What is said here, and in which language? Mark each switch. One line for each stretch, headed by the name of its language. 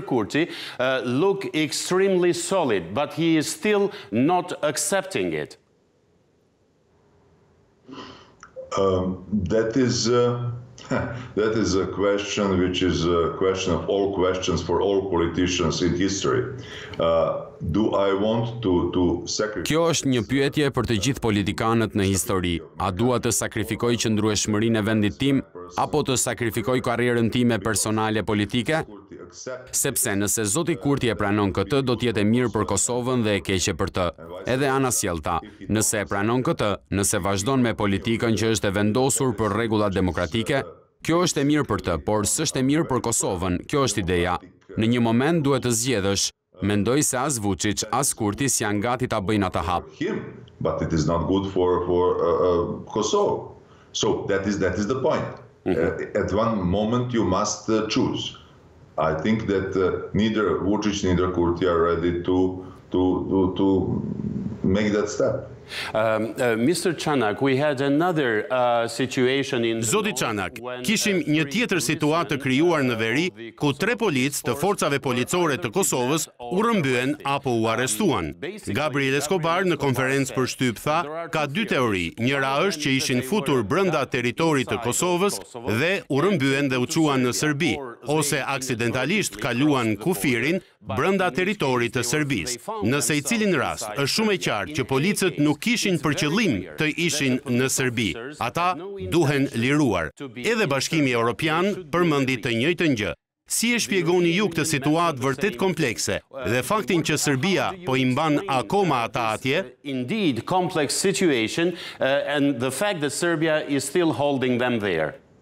English: Kurti look extremely solid, but he is still not accepting it. That is That is a question which is a question of all questions for all politicians in history. Do I want to sacrifice?
Albanian: Kjo është një pyetje për të gjithë politikanët në histori. A dua të sakrifikoj qëndrueshmërinë e vendit tim apo të sakrifikoj karrierën time personale politike? Sepse nëse Zoti Kurti e pranon këtë, do të jetë mirë për Kosovën dhe e keqe për të. Edhe anasjellta, nëse e pranon këtë, nëse vazhdon me politikën që është e vendosur për rregullat demokratike, kjo është e mirë për të, por s'është e mirë për Kosovën. Kjo është ideja. Në një moment duhet të zgjedhësh. Mendoj se as Vučić, as Kurti janë gati ta bëjnë atë hap.
English: But it is not good for Kosovo. So that is the point. At one moment you must choose. I think that neither Vučić neither Kurti are ready to make that step. Mr. Çanak, we had another situation in
Albanian: Zoti Çanak, kishim një tjetër situatë të krijuar në veri ku tre policë të forcave policore të Kosovës u rrëmbyen apo u arrestuan. Gabriel Escobar në konferencë për shtyp tha, ka dy teori. Njëra është që ishin futur brenda territorit të Kosovës dhe u rrëmbyen dhe u çuan në Serbi, ose aksidentalisht kaluan kufirin brenda territorit të Serbisë. Nëse i cilin rast, është shumë e qartë që policët nuk kishin për qëllim të ishin në Serbi. Ata duhen liruar. Edhe Bashkimi Evropian përmendi të njëjtën gjë. Si e shpjegoni ju këtë situatë vërtet komplekse dhe faktin që Serbia po i mban akoma ata atje?
English: Indeed complex situation and the fact that Serbia is still holding them there.